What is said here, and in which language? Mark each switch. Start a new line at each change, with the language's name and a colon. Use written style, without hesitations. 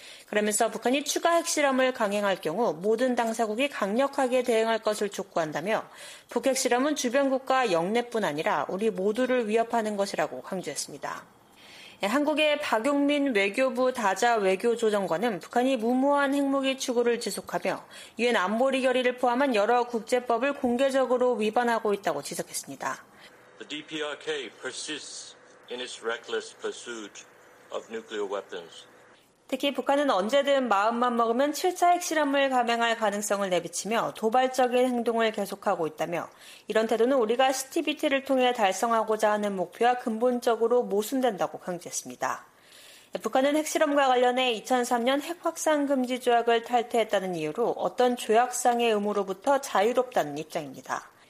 Korean: 그러면서 북한이 추가 핵실험을 강행할 경우 모든 당사국이 강력하게 대응할 것을 촉구한다며 북핵실험은 주변 국가 영내뿐 아니라 우리 모두를 위협하는 것이라고 강조했습니다. 한국의 박용민 외교부 다자 외교조정관은 북한이 무모한 핵무기 추구를 지속하며 유엔 안보리 결의를 포함한 여러 국제법을 공개적으로 위반하고 있다고 지적했습니다.
English: The DPRK persists in its reckless pursuit of nuclear weapons.
Korean: 특히 북한은 언제든 마음만 먹으면 7차 핵실험을 감행할 가능성을 내비치며 도발적인 행동을 계속하고 있다며 이런 태도는 우리가 CTBT를 통해 달성하고자 하는 목표와 근본적으로 모순된다고 강조했습니다. 북한은 핵실험과 관련해 2003년 핵확산 금지 조약을 탈퇴했다는 이유로 어떤 조약상의 의무로부터 자유롭다는 입장입니다.